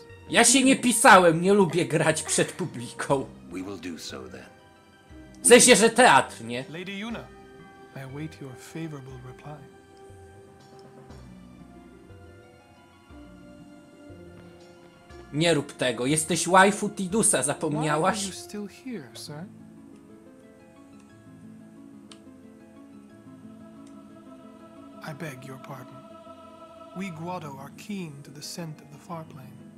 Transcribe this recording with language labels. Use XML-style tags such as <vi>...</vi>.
<pl>Ja się nie pisałem, nie lubię grać przed publiką.</pl> <en>We will do so then.</en> <pl>W sensie, że teatr, nie?</pl> <en>Lady Yuna, I await your favorable reply.</en> <pl>Nie rób tego. Jesteś waifu Tidusa, zapomniałaś?</pl> <en>Why are you still here, sir? I beg your pardon. We Guado are keen to the scent of the far plane.</en>